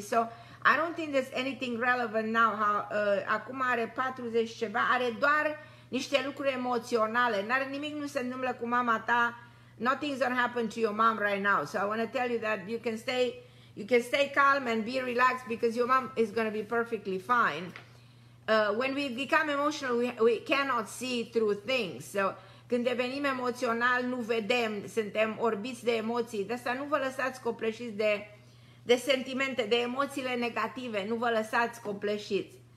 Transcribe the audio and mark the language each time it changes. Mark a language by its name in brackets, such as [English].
[English] So I don't think there's anything relevant now. [Romanian] Acum are 40 ceva, are doar niște lucruri emoționale. N-are nimic, nu se întâmplă cu mama ta. [English] Nothing's gonna happen to your mom right now. So I want to tell you that you can stay... You can stay calm and be relaxed because your mom is going to be perfectly fine. When we become emotional, we cannot see through things. [Romanian] So, când devenim emoțional, nu vedem, suntem orbiți de emoții. De asta nu vă lăsați copleșiți de sentimente, de emoțiile negative. Nu vă lăsați copleșiți.